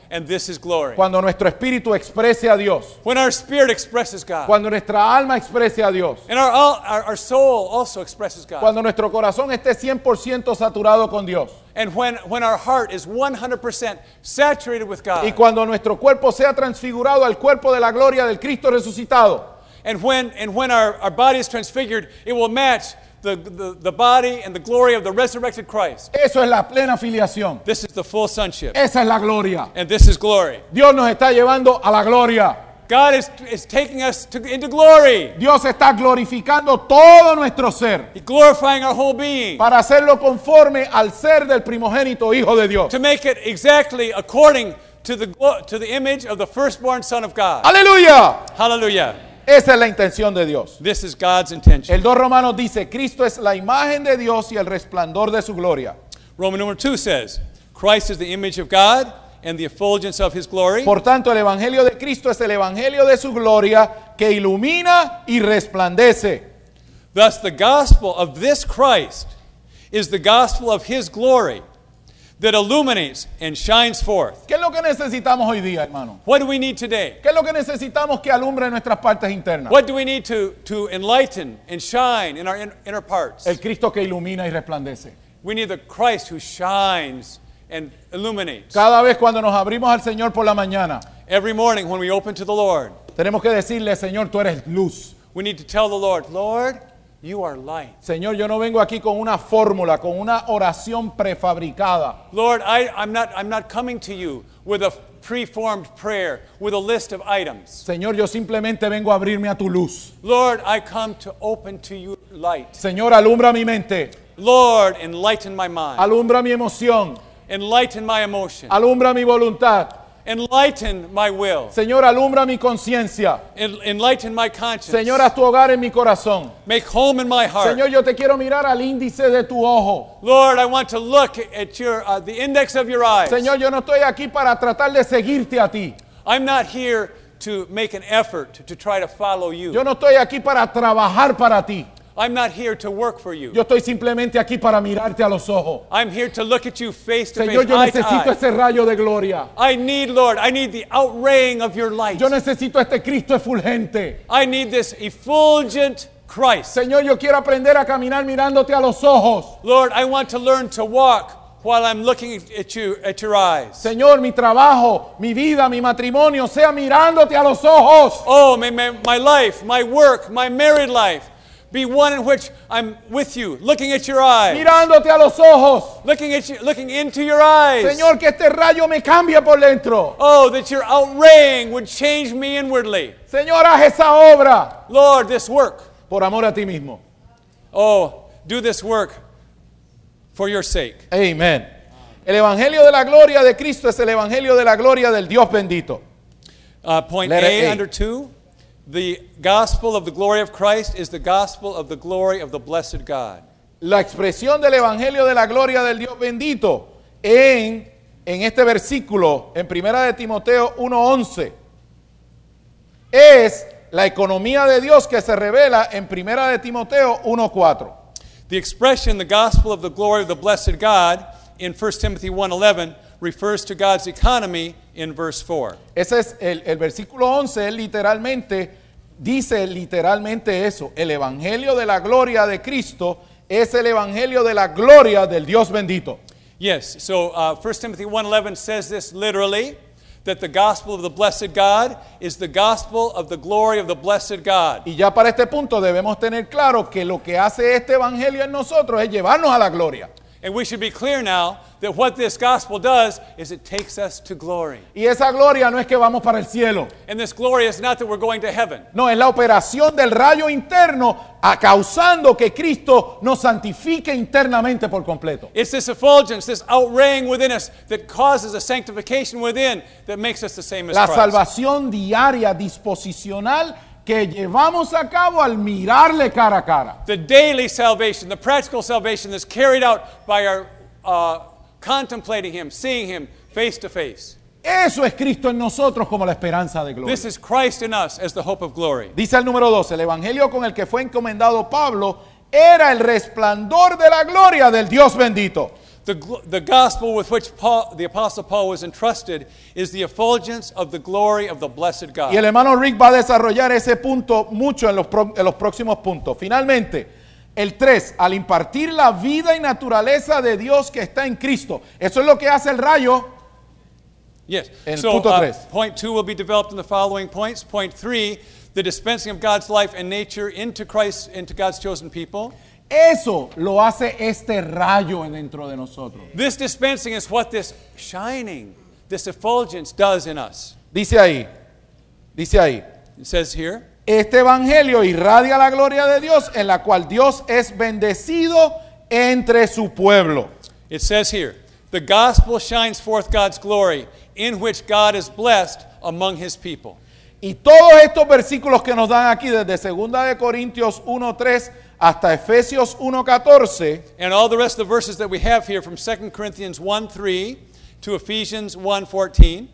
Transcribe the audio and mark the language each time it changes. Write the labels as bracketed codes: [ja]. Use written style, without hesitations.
[en] And this is glory. [es] Cuando nuestro espíritu exprese a Dios. [en] When our spirit expresses God. [es] Cuando nuestra alma exprese a Dios. [en] And our soul also expresses God. [es] Cuando nuestro corazón esté 100% saturado con Dios. [en] And when our heart is 100% saturated with God. [es] Y cuando nuestro cuerpo sea transfigurado al cuerpo de la gloria del Cristo resucitado. [en] And when our body is transfigured, it will match the body and the glory of the resurrected Christ. [es] Eso es la plena filiación. [en] This is the full sonship. [es] Esa es la gloria. [en] And this is glory. [es] Dios nos está llevando a la gloria. [en] God is taking us into glory. [es] Dios está glorificando todo nuestro ser. [en] He's glorifying our whole being. [es] Para hacerlo conforme al ser del primogénito Hijo de Dios. [en] To make it exactly according to the image of the firstborn Son of God. [es] Aleluya. [en] Hallelujah. [es] Esa es la intención de Dios. [en] This is God's intention. [es] El 2 Romanos dice, Cristo es la imagen de Dios y el resplandor de su gloria. [en] Roman number 2 says, Christ is the image of God and the effulgence of his glory. [es] Por tanto, el evangelio de Cristo es el evangelio de su gloria que ilumina y resplandece. [en] Thus the gospel of this Christ is the gospel of his glory that illuminates and shines forth. [es] ¿Qué es lo que necesitamos hoy día, hermano? [en] What do we need today? [es] ¿Qué es lo que necesitamos que alumbre en nuestras partes internas? [en] What do we need to enlighten and shine in our inner parts? [es] El Cristo que ilumina y resplandece. [en] We need the Christ who shines and illuminates. [es] Cada vez cuando nos abrimos al Señor por la mañana, [en] every morning when we open to the Lord, [es] tenemos que decirle, Señor, tú eres luz. [en] We need to tell the Lord, Lord, you are light. [es] Señor, yo no vengo aquí con una fórmula, con una oración prefabricada. [en] Lord, I'm not coming to you with a preformed prayer with a list of items. [es] Señor, yo simplemente vengo a abrirme a tu luz. [en] Lord, I come to open to your light. [es] Señor, alumbra mi mente. [en] Lord, enlighten my mind. [es] Alumbra mi emoción. [en] Enlighten my emotion. [es] Alumbra mi voluntad. [en] Enlighten my will. [es] Señor, alumbra mi conciencia. [en] Enlighten my conscience. [es] Señor, haz tu hogar en mi corazón. [en] Make home in my heart. [es] Señor, yo te quiero mirar al índice de tu ojo. [en] Lord, I want to look at your the index of your eyes. [es] Señor, yo no estoy aquí para tratar de seguirte a ti. [en] I'm not here to make an effort to try to follow you. [es] Yo no estoy aquí para trabajar para ti. [en] I'm not here to work for you. [es] Yo estoy simplemente aquí para mirarte a los ojos. [en] I'm here to look at you face to [es] Señor, [en] face, [es] yo necesito [en] eye to [es] ese rayo de gloria. [en] I need, Lord, I need the outraying of your light. [es] Yo necesito este Cristo efulgente. [en] I need this effulgent Christ. [es] Señor, yo quiero aprender a caminar mirándote a los ojos. [en] Lord, I want to learn to walk while I'm looking at you, at your eyes. [es] Señor, mi trabajo, mi vida, mi matrimonio, sea mirándote a los ojos. [en] Oh, my life, my work, my married life. Be one in which I'm with you, looking at your eyes. [es] Mirándote a los ojos. [en] Looking at you, looking into your eyes. [es] Señor, que este rayo me cambie por dentro. [en] Oh, that your outraying would change me inwardly. [es] Señor, haz esa obra. [en] Lord, this work. [es] Por amor a ti mismo. [en] Oh, do this work for your sake. [es] Amen. El evangelio de la gloria de Cristo es el evangelio de la gloria del Dios bendito. [en] Point A, under two. The gospel of the glory of Christ is the gospel of the glory of the blessed God. [es] La expresión del evangelio de la gloria del Dios bendito en este versículo, en 1 Timoteo 1:11, es la economía de Dios que se revela en 1 Timoteo 1:4. [en] The expression, the gospel of the glory of the blessed God, in 1 Timothy 1:11, refers to God's economy in verse 4. [es] Ese es el versículo 11, literalmente dice literalmente eso. El evangelio de la gloria de Cristo es el evangelio de la gloria del Dios bendito. [en] Yes, so 1 Timothy 1:11 says this literally, that the gospel of the blessed God is the gospel of the glory of the blessed God. [es] Y ya para este punto debemos tener claro que lo que hace este evangelio en nosotros es llevarnos a la gloria. [en] And we should be clear now that what this gospel does is it takes us to glory. [es] Y esa gloria no es que vamos para el cielo. [en] And this glory is not that we're going to heaven. [es] No, es la operación del rayo interno a causando que Cristo nos santifique internamente por completo. [en] It's this effulgence, this outraying within us that causes a sanctification within that makes us the same as Christ. [es] La salvación diaria disposicional que llevamos a cabo al mirarle cara a cara. [en] The daily salvation, the practical salvation that's carried out by our contemplating him, seeing him face to face. [es] Eso es Cristo en nosotros como la esperanza de gloria. [en] This is Christ in us as the hope of glory. [es] Dice el número 12, el evangelio con el que fue encomendado Pablo era el resplandor de la gloria del Dios bendito. [en] The gospel with which Paul, the Apostle Paul, was entrusted is the effulgence of the glory of the blessed God. [es] Y el hermano Rick va a desarrollar ese punto mucho en los próximos puntos. Finalmente, el 3, al impartir la vida y naturaleza de Dios que está en Cristo. Eso es lo que hace el rayo. [en] Yes. [es] En el punto 3. [en] Point 2 will be developed in the following points. Point 3, the dispensing of God's life and nature into Christ, into God's chosen people. [es] Eso lo hace este rayo dentro de nosotros. [en] This dispensing is what this shining, this effulgence does in us. [es] Dice ahí. [en] It says here. [es] Este evangelio irradia la gloria de Dios en la cual Dios es bendecido entre su pueblo. [en] It says here. The gospel shines forth God's glory in which God is blessed among his people. Y todos estos versículos que nos dan aquí desde 2 Corintios 1:3 hasta Efesios 1:14, and all the rest of the verses that we have here from 2 Corinthians 1:3 to Ephesians 1:14,